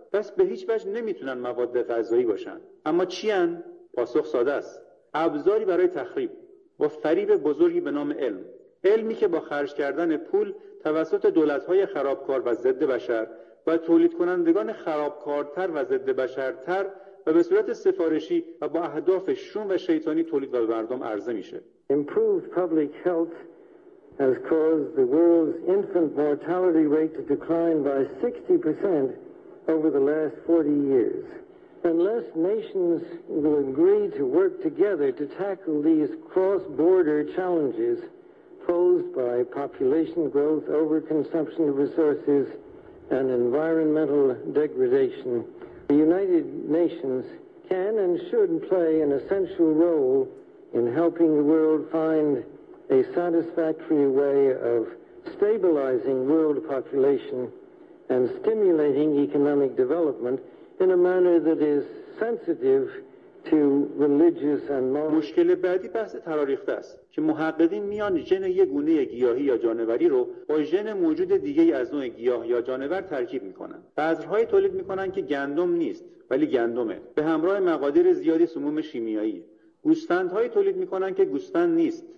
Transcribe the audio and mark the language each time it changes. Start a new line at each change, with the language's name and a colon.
Persian: پس به هیچ وجه نمیتونن مواد غذایی باشن. اما چی‌اند؟ پاسخ ساده است: ابزاری برای تخریب با فریب بزرگی به نام علم. علمی که با خرج کردن پول توسط دولت‌های خرابکار و ضد بشر و تولید کنندگان خرابکارتر و ضد بشرتر و به صورت سفارشی و با اهداف شوم و شیطانی تولید و به مردم عرضه میشه.
English: Improved public health has caused the world's infant mortality rate to decline by 60% over the last 40 years. Unless nations will agree to work together to tackle these cross-border challenges posed by population growth, overconsumption of resources, and environmental degradation, the United Nations can and should play an essential role in helping the world find a satisfactory way of stabilizing world population and stimulating economic development in a manner that is sensitive to religious and moral.
Persian: مشکل بعدی بحث تراریخته است که محققین میان ژن یک گونه گیاهی یا جانوری رو با ژن موجود دیگه ای از نوع گیاه یا جانور ترکیب میکنن. بذرهای تولید میکنن که گندم نیست ولی گندمه. به همراه مقادیر زیادی سموم شیمیایی. گوسفندهایی تولید میکنن که گوسفند نیست.